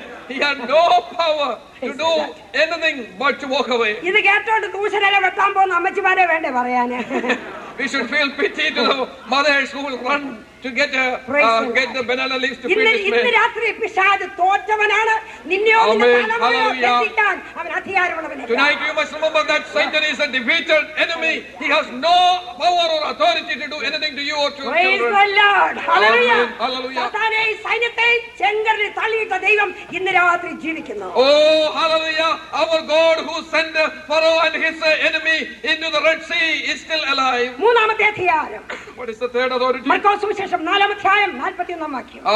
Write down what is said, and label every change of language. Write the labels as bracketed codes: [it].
[en] He had no power to do anything but to walk away. [ml] ഇത് കേട്ടോണ്ട് ദൂഷരെ വെട്ടാൻ പോകുന്ന അമ്മച്ചിമാരെ വേണ്ടേ പറയാന്. [en] We should feel pity to the mothers who will run to get the banana leaves to feed his men. [ml] ഇന്ന് രാത്രി പിശാച് തോറ്റവനാണ്, നിന്നെയോ തലമുറയോട്ടിക്കാൻ അവൻ അധികാരമുള്ളവനല്ല. [en] Tonight you must remember that Satan is a defeated enemy. He has no power or authority to do anything to you or to your children. Praise the Lord. Hallelujah. Hallelujah. [ml] സാത്താനെ സൈന്യത്തെ ചെങ്കറിൽ തള്ളിയിട്ട ദൈവം ഇന്ന് രാത്രി ജീവിക്കുന്നു. ഓ hallelujah. [en] our God who sent Pharaoh and his enemy into the Red Sea is still alive. [ml] മൂന്നാമത്തെ അധ്യായം. [en] What is the third authority? [ml] മർക്കോസ് സുവിശേഷം നാലാമത്തെ അധ്യായം 41-ാം വാക്യം.